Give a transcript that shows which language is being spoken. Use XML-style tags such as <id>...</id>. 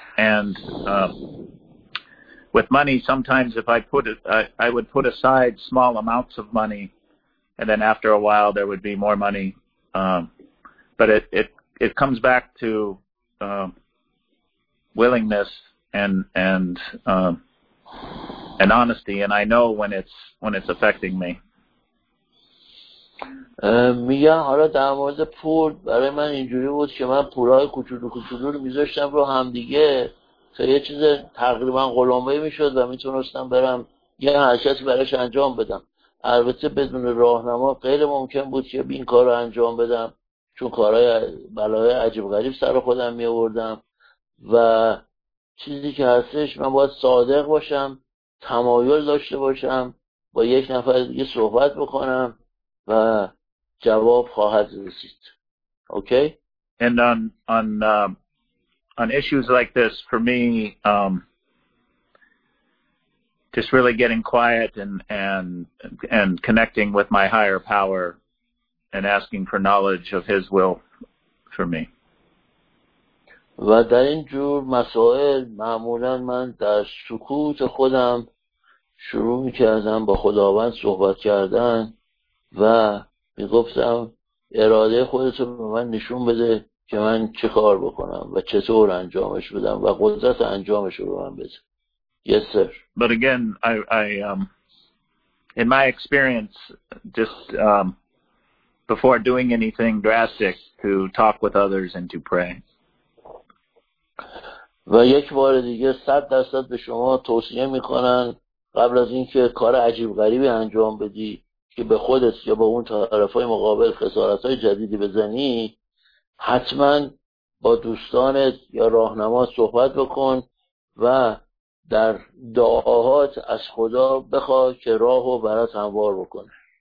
<en>And with money, sometimes if I put it, I would put aside small amounts of money, and then after a while there would be more money. But it comes back to willingness and honesty, and I know when it's affecting me.</en> <fa>میگن حالا در مورد پول برای من اینجوری بود که من پولای کوچولو کوچولو رو میذاشتم رو همدیگه تا یه چیز تقریبا غلامه‌ای میشد و میتونستم برم یه حرکتی براش انجام بدم. البته بدون راهنما غیر ممکن بود که این کار رو انجام بدم، چون کارهای بلای عجیب غریب سر خودم میوردم. و چیزی که هستش، من باید صادق باشم، تمایل داشته باشم، با یک نفر دیگه صحبت بکنم و جواب خواهد رسید.</fa> <en>Okay? And on issues like this, for me, just really getting quiet and connecting with my higher power and asking for knowledge of his will for me.</en> <fa>و در این جور مسائل معمولا من در سکوت خودم شروع می‌کردم با خداوند صحبت کردن و می‌گفتم اراده خودت رو به من نشون بده که من چه کار بکنم و چطور انجامش بدم و قدرت انجامش رو به من بده.</fa> <en>Yes, sir. But again, I in my experience, just before doing anything drastic, to talk with others and to pray.</en> <fa>و یک بار دیگه 100% به شما توصیه می‌کنن قبل از اینکه کار عجیب غریبی انجام بدی که به خودت یا به اون طرفای مقابل خسارت‌های جدیدی بزنی، حتما با دوستانت یا راهنمات صحبت بکن و در دعاهات از خدا بخوا که راهو برات هموار بکنه.</fa>